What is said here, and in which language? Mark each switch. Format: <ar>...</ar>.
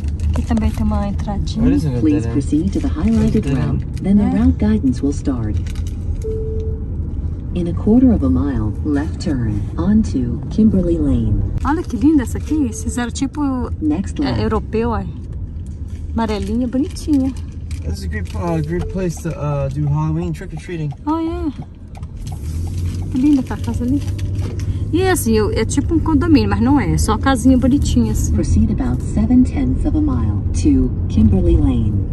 <pt>Aqui também tem uma entradinha.</pt> <en>Please proceed to the highlighted route. Then the route guidance will start. In a quarter of a mile, left turn onto Kimberly Lane.</en> <pt>Olha que linda essa aqui. Esse zero tipo next é, europeu, ó. Amarelinha, bonitinha.</pt> <en>This is a great place to do Halloween trick or treating. Oh yeah.</en> <pt>Que linda tá a casa ali. E assim, é tipo um condomínio, mas não é. É só uma casinha bonitinha assim.</pt> <en>Proceed about 7/10 of a mile to Kimberly Lane.</en>